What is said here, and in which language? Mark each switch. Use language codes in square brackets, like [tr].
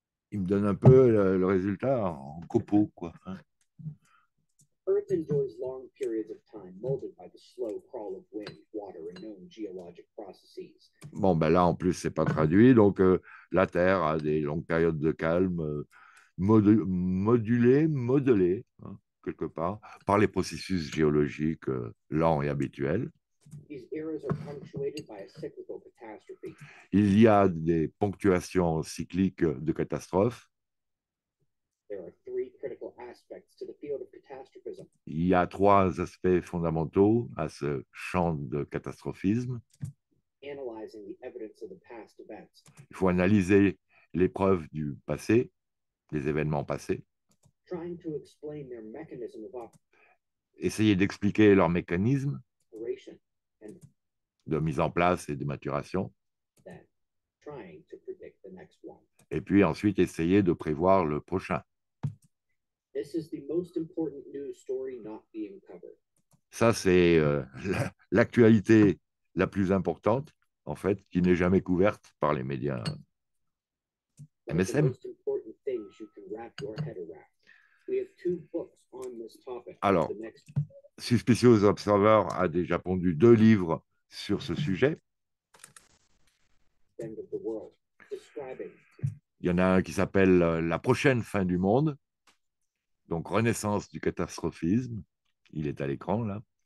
[fr] Il me donne un peu le résultat en copeaux, quoi. Hein. [en] Earth endures long periods of time molded by the slow crawl of wind, water, and known geologic processes. [fr] Bon, ben là, en plus, c'est pas traduit. Donc, la Terre a des longues périodes de calme modulées, hein, quelque part, par les processus géologiques lents et habituels. [en] These eras are punctuated by a cyclical catastrophe. [fr] Il y a des ponctuations cycliques de catastrophes. [en] There are three critical aspects to the field of catastrophism. [fr] Il y a trois aspects fondamentaux à ce champ de catastrophisme. [en] Analyzing the evidence of the past events. [fr] Il faut analyser les preuves du passé, des événements passés. [en] Trying to explain their mechanism of operation. [fr] Essayer d'expliquer leur mécanisme [en] operation and [fr] de mise en place et de maturation. [en] Then, trying to predict the next one. [fr] Et puis ensuite, essayer de prévoir le prochain. [en] This is the most important news story not being covered. [fr] Ça, c'est l'actualité la plus importante, en fait, qui n'est jamais couverte par les médias MSM. [en] The most important things you can wrap your head around. We have two books on this topic. [fr] Alors, Suspicious Observer a déjà pondu deux livres sur ce sujet. [en] End of the world. Describing. [fr] Il y en a un qui s'appelle La prochaine fin du monde, donc Renaissance du catastrophisme. Il est à l'écran, là.